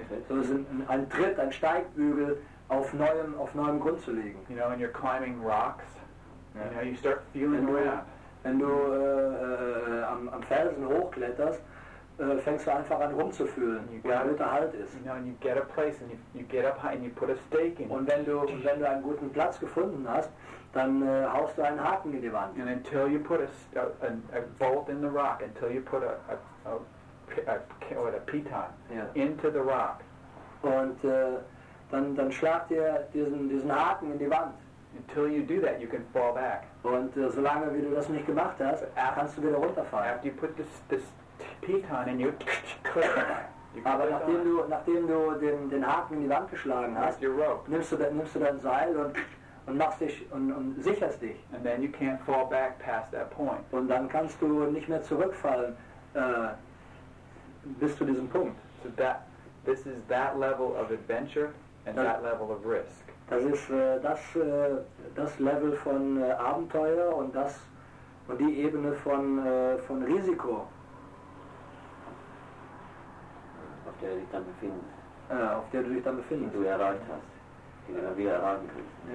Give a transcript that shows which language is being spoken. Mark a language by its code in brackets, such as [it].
[de] So ein Tritt, ein Steigbügel auf neuem Grund zu legen. [en] You know, when you're climbing rocks, you know, you start feeling the way up. [de] Wenn du am Felsen hochkletterst, fängst du einfach an rumzufühlen, wo der Mitte Halt ist. [en] You know, and you get a place and you get up high and you put a stake in. [de] Und wenn du einen guten Platz gefunden hast, dann haust du einen Haken in die Wand. [en] And until you put a bolt in the rock, until you put a piton into the rock. [de] Und dann schlagt ihr diesen Haken in die Wand. [en] Until you do that, you can fall back. [de] Und solange wie du das nicht gemacht hast, kannst du wieder runterfallen. [en] After you put this piton in, you click it. [de] Aber nachdem du den Haken in die Wand geschlagen hast, nimmst du dein Seil und machst dich und sicherst dich. [en] And then you can't fall back past that point. [de] Und dann kannst du nicht mehr zurückfallen. Bis zu diesem Punkt. [en] So this is that level of adventure and that level of risk. [de] Das ist das Level von Abenteuer und die Ebene von Risiko, auf der du dich dann befindest. Auf der du dich dann befindest. Die du erreicht hast, die du dann wieder erreichen kannst.